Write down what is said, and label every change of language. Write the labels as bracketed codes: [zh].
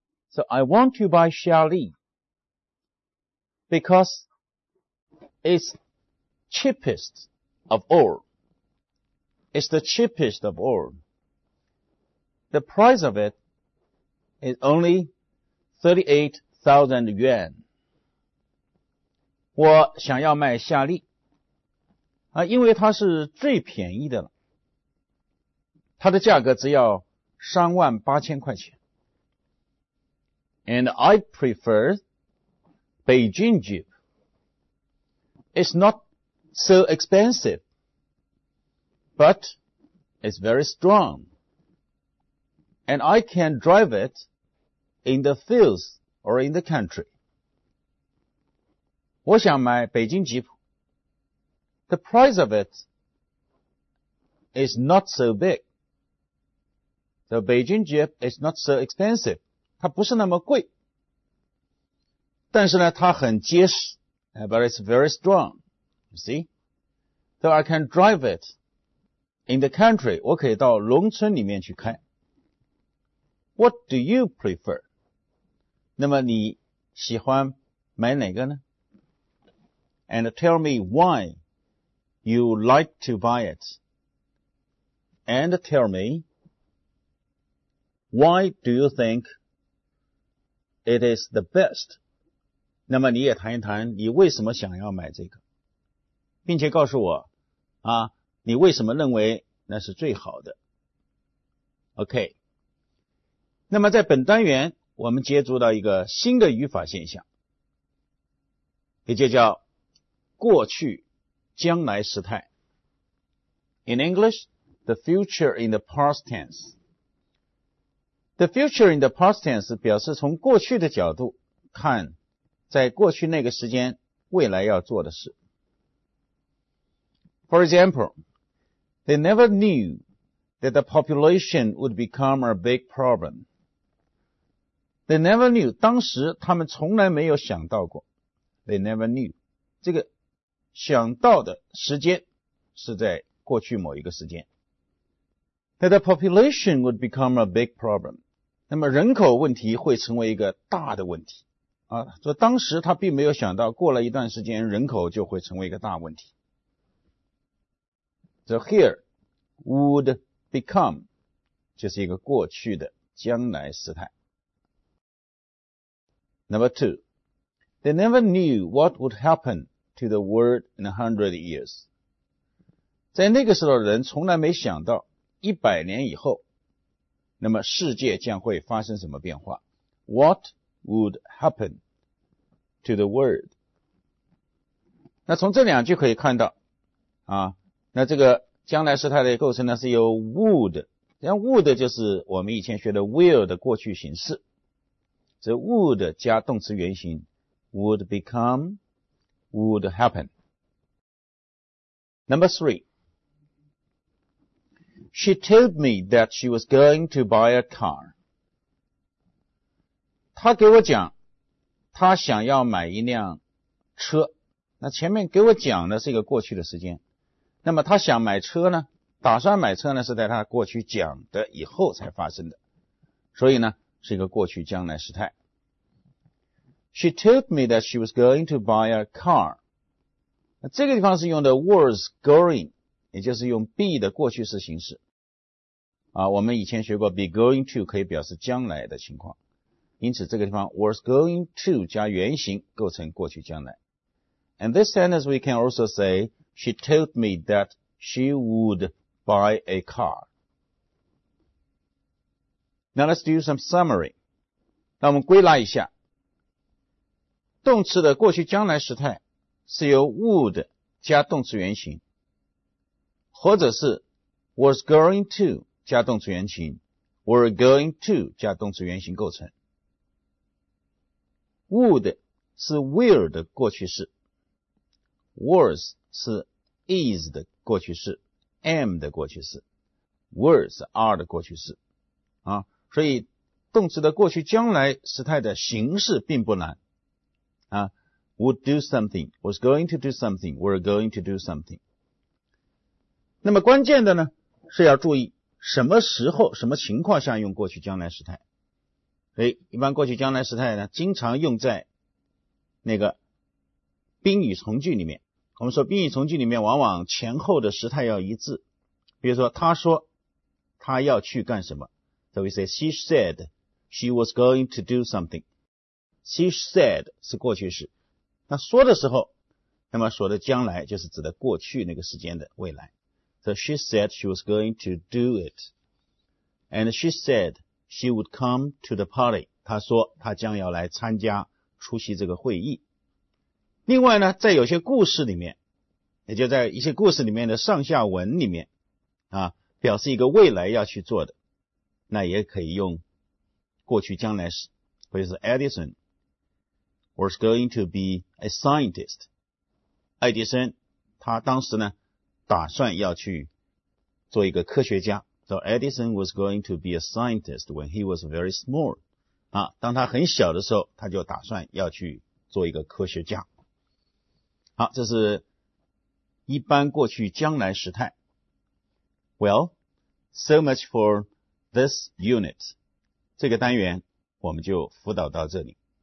[en] So I want to buy Chevrolet because it's cheapest of all. It's the cheapest of all. The price of it is only 38,000 yuan. [zh] 我想要卖夏利啊，因为它是最便宜的了。它的价格只要38,000块钱。 [en] And I prefer Beijing Jeep. It's not so expensive, but it's very strong. And I can drive it in the fields or in the country. [zh] 我想买北京吉普。 [en] The price of it is not so big. The Beijing Jeep is not so expensive. [zh] 它不是那么贵。但是呢它很结实。 [en] But it's very strong. You see? So I can drive it in the country. [zh] 我可以到农村里面去开。 [en] What do you prefer? [zh] 那么你喜欢买哪个呢? [en] And tell me why you like to buy it. And tell me,Why do you think it is the best? [zh] 那么你也谈一谈你为什么想要买这个，并且告诉我啊，你为什么认为那是最好的。 [en] OK. [zh] 那么在本单元我们接触到一个新的语法现象，也就叫过去将来时态。 [en] In English, the future in the past tense. The future in the past tense [zh] 表示从过去的角度看在过去那个时间未来要做的事。 [en] For example, they never knew that the population would become a big problem. They never knew, [zh] 当时他们从来没有想到过。They never knew. 这个想到的时间是在过去某一个时间。 [en] That the population would become a big problem. [zh] 那么人口问题会成为一个大的问题。啊，所以当时他并没有想到过了一段时间人口就会成为一个大问题。 [en] So here, would become, [zh] 就是一个过去的将来时态。 [en] Number two, they never knew what would happen to the world in 100 years. [zh] 在那个时候的人从来没想到100年以后，那么世界将会发生什么变化。 [en] What would happen to the world? [zh] 那从这两句可以看到，啊，那这个将来时态的构成呢是由 would， 像 would 就是我们以前学的 will 的过去形式。这 would 加动词原形 would become, would happen. [en] Number three, she told me that she was going to buy a car. [zh] 她给我讲，她想要买一辆车。那前面给我讲的是一个过去的时间。那么她想买车呢，打算买车呢，是在她过去讲的以后才发生的。所以呢，是一个过去将来时态。 [en] She told me that she was going to buy a car. [zh] 这个地方是用的 was going， 也就是用 be 的过去式形式。啊，我们以前学过 be going to 可以表示将来的情况。因此这个地方 was going to 加原形构成过去将来。 [en] And this sentence we can also say, she told me that she would buy a car. Now let's do some summary. [zh] 那我们归纳一下。动词的过去将来时态是由 would 加动词原形，或者是 was going to 加动词原形， were going to 加动词原形构成。 would 是 will 的过去式， was 是 is 的过去式， am 的过去式， were 是 are 的过去式，啊，所以动词的过去将来时态的形式并不难啊、 [en] would do something, was going to do something, [zh] were going to do something. 那么关键的呢，是要注意什么时候、什么情况下用过去将来时态。所以一般过去将来时态呢，经常用在那个宾语从句里面。我们说宾语从句里面往往前后的时态要一致。比如说他说他要去干什么。 [en] So we say, she said she was going to do something. She said [zh] 是过去式，那说的时候，那么说的将来就是指的过去那个时间的未来。 [en] So she said she was going to do it, and she said she would come to the party. [zh] 她说她将要来参加出席这个会议。另外呢，在有些故事里面，也就在一些故事里面的上下文里面，啊，表示一个未来要去做的，那也可以用过去将来时，或者是 Edison。 [en] Was going to be a scientist. [zh] 爱迪生他当时呢打算要去做一个科学家。 [en] So Edison was going to be a scientist when he was very small. [zh] 啊，当他很小的时候他就打算要去做一个科学家。好，这是一般过去将来时态。 [en] Well, so much for this unit. [zh] 这个单元我们就辅导到这里。